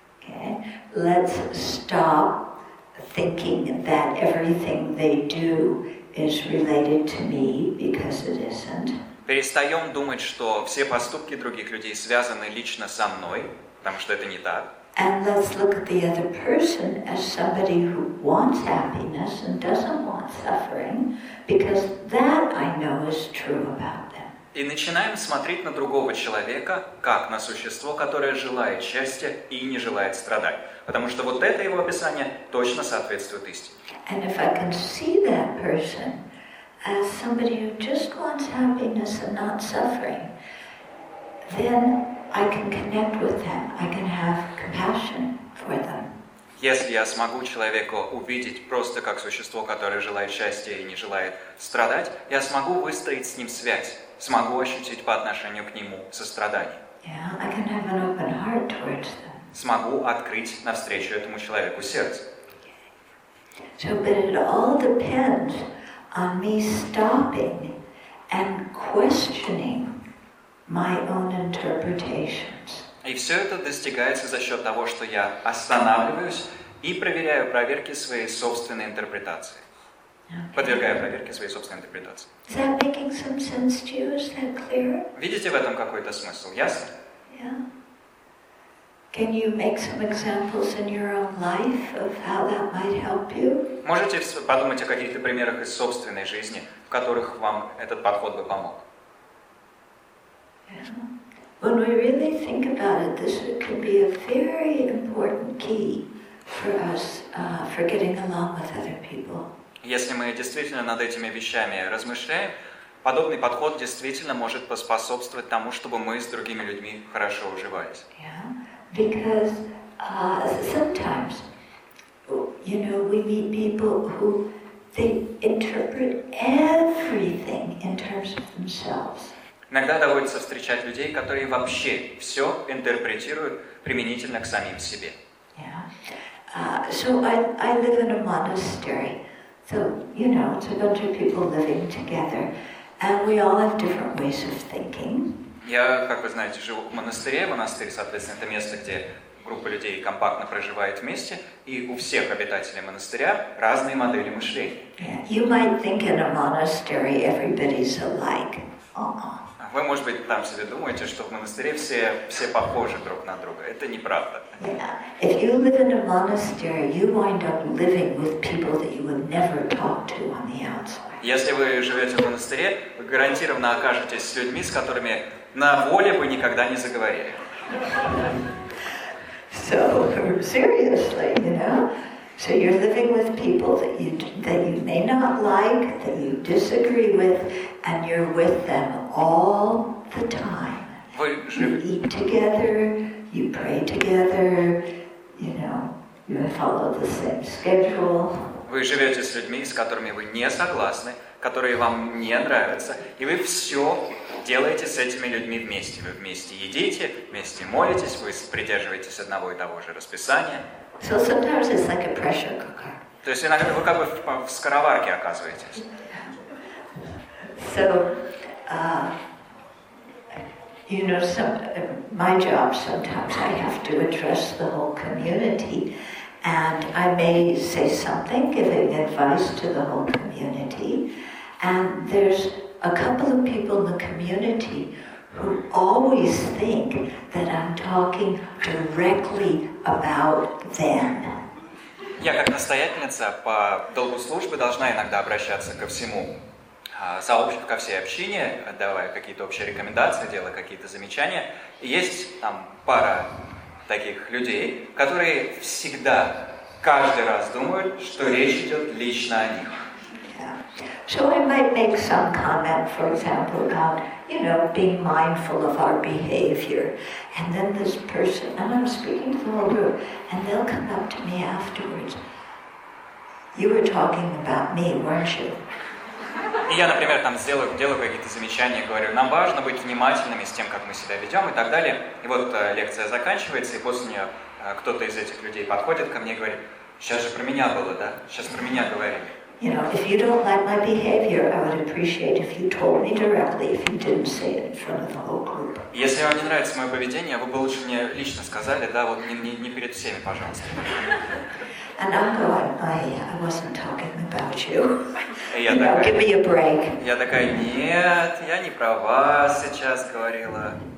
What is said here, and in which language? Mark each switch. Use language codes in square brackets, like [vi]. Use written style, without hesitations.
[en] Okay. Let's stop thinking that everything they do is related to me, because it isn't. [ru] Перестаем думать, что все поступки других людей связаны лично со мной, потому что это не так. [en] And let's look at the other person as somebody who wants happiness and doesn't want suffering, because that I know is true about them. [ru] И начинаем смотреть на другого человека как на существо, которое желает счастья и не желает страдать. Потому что вот это его описание точно соответствует истине. [en] And if I can see that person as somebody who just wants happiness and not suffering, then I can connect with them. I can have compassion for them. [ru] Если я смогу человека увидеть просто как существо, которое желает счастья и не желает страдать, я смогу выстроить с ним связь, смогу ощутить по отношению к нему сострадание. [en] Yeah, I can have an open heart towards them. [ru] Смогу открыть навстречу этому человеку сердце. [en] So, but it all depends on me stopping and questioning my own interpretations. [ru] И все это достигается за счет того, что я останавливаюсь и проверяю проверки своей собственной интерпретации. [en] Okay. [ru] Подвергаю проверке своей собственной интерпретации. [en] Is that making some sense to you? Is that clear? [ru] Видите в этом какой-то смысл? Ясно? [en] Yeah. Can you make some examples in your own life of how that might help you? [ru] Можете подумать о каких-то примерах из собственной жизни, в которых вам этот подход бы помог? [en] Yeah. When we really think about it, this could be a very important key for us for getting along with other people. [ru] Если мы действительно над этими вещами размышляем, подобный подход действительно может поспособствовать тому, чтобы мы с другими людьми хорошо уживались. [en] Yeah. Because sometimes, you know, we meet people who they interpret everything in terms of themselves. [ru] Иногда доводится встречать людей, которые вообще все интерпретируют применительно к самим себе. [en] Yeah. So I live in a monastery, so you know, it's a bunch of people living together, and we all have different ways of thinking. [ru] Я, как вы знаете, живу в монастыре. Монастырь, соответственно, это место, где группа людей компактно проживает вместе. И у всех обитателей монастыря разные модели мышления. [en] You might think in a monastery everybody's alike. [ru] Вы, может быть, там себе думаете, что в монастыре все похожи друг на друга. Это неправда. [en] Yeah. If you live in a monastery, you wind up living with people that you would never talk to on the outside. [ru] Если вы живете в монастыре, вы гарантированно окажетесь с людьми, с которыми на воле бы никогда не заговорили. [en] So, seriously, you know, so you're living with people that you may not like, that you disagree with, and you're with them all the time. You eat together, you pray together, you know, you follow the same schedule. [ru] Вы живете с людьми, с которыми вы не согласны, которые вам не нравятся, и вы все делаете с этими людьми вместе. Вы вместе едите, вместе молитесь, вы придерживаетесь одного и того же расписания. [en] So sometimes it's like a pressure cooker. [ru] То есть иногда вы как бы в скороварке оказываетесь. [en] So, you know, my job sometimes I have to address the whole community, and I may say something, giving advice to the whole community, and there's a couple of people in the community who always think that I'm talking directly about them. [ru] Я как настоятельница по долгу службы должна иногда обращаться ко всему сообществу, ко всей общине, давая какие-то общие рекомендации, делая какие-то замечания. Есть там пара таких людей, которые всегда, каждый раз думают, что речь идет лично о них. [en] So I might make some comment, for example, about, you know, being mindful of our behavior. And then this person, and I'm speaking to the whole group, and they'll come up to me afterwards. You were talking about me, weren't you? [ru] И я, например, там делаю какие-то замечания, говорю, нам важно быть внимательными с тем, как мы себя ведем и так далее. И вот лекция заканчивается, и после нее кто-то из этих людей подходит ко мне и говорит, сейчас же про меня было, да? Сейчас про меня говорили. [en] You know, if you don't like my behavior, I would appreciate if you told me directly, if you didn't say it in front of the whole group. [ru] Если вам не нравится мое поведение, вы бы лучше мне лично сказали, да, вот не перед всеми, пожалуйста. [en] And I'm going, I wasn't talking about you. Give me a break. [ru] Я такая, нет, я не про вас сейчас говорила.